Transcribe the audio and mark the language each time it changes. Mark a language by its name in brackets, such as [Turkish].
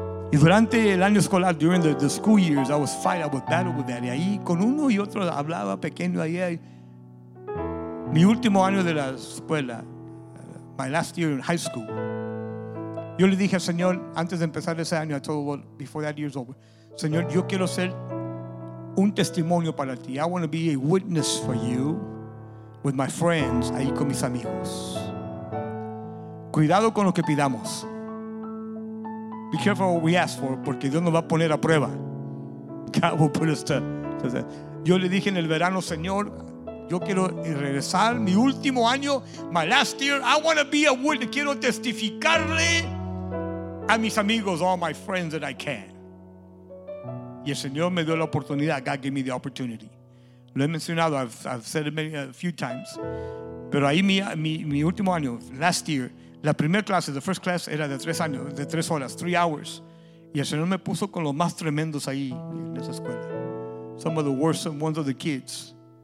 [Spanish] Y durante el año escolar, [English] during the school years, I would battle with that. [Spanish] Y ahí con uno y otro hablaba pequeño ahí. Mi último año de la escuela, [English] my last year in high school, [Spanish] yo le dije al Señor, antes de empezar ese año, [English] I told him, well, before that year's over, [Spanish] Señor, yo quiero ser un testimonio para ti. [English] I want to be a witness for you with my friends, [Spanish] ahí con mis amigos. Cuidado con lo que pidamos. [English] Be careful what we ask for, [Spanish] porque Dios nos va a poner a prueba. [English] God will put us to test. [Spanish] Yo le dije en el verano, Señor, yo quiero regresar mi último año, [English] my last year, I want to be a witness. [Spanish] Quiero testificarle a mis amigos, [English] all my friends that I can. [Spanish] Y el Señor me dio la oportunidad. [English] God gave me the opportunity. [Spanish] Lo he mencionado, [English] I've said it many, a few times. [Spanish] Pero ahí mi último año, [English] last year, [Spanish] la primera clase, [English] the first class, [Spanish] era de tres años, de tres horas, 3 hours. Y el Señor me puso con los más tremendos ahí en esa escuela. [English] Some of the worst ones of the kids.